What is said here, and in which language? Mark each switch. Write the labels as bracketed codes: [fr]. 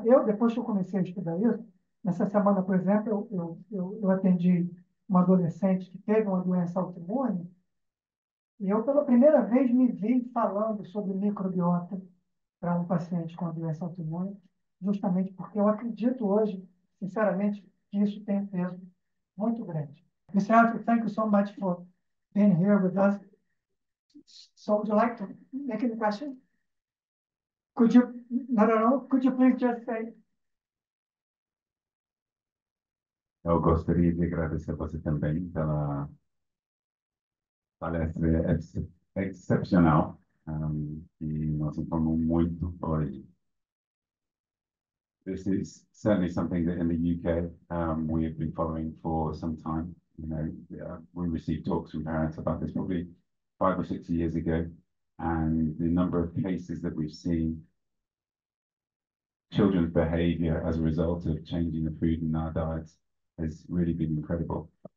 [pt] Eu, depois que eu comecei a estudar isso, nessa semana, por exemplo, eu atendi uma adolescente que teve uma doença autoimune, e eu, pela primeira vez, me vi falando sobre microbiota para um paciente com a doença autoimune, justamente porque eu acredito hoje, sinceramente, que isso tem um peso muito grande. [en] Mr. Alfred, thank you so much for being here with us. So, would you like to make any question? Could you, no, could you please just say? [pt] Eu gostaria de agradecer a você também pela palestra excepcional, que nos informou muito hoje. [en] This is certainly something that in the UK we have been following for some time. We received talks from parents about this probably 5 or 6 years ago, and the number of cases that we've seen, children's behavior as a result of changing the food in our diets, has really been incredible.